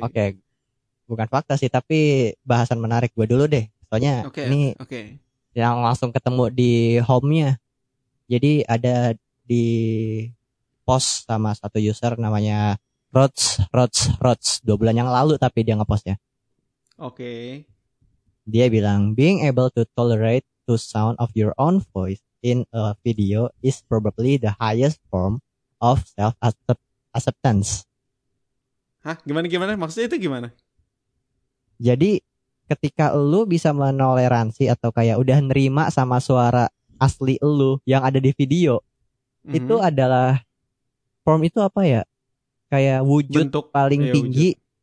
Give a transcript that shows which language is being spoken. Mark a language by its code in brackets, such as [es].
[id] Oke. Bukan fakta sih, tapi bahasan menarik gue dulu deh. Soalnya ini yang langsung ketemu di home-nya. Jadi ada di post sama satu user namanya Rods 2 bulan yang lalu tapi dia ngepostnya. Oke. Dia bilang [en] being able to tolerate the sound of your own voice in a video is probably the highest form of self acceptance. [id] Hah, gimana maksudnya itu gimana? Jadi ketika lu bisa menoleransi atau kayak udah nerima sama suara asli lu yang ada di video, itu adalah form itu apa ya, kayak wujud bentuk paling tinggi, wujud.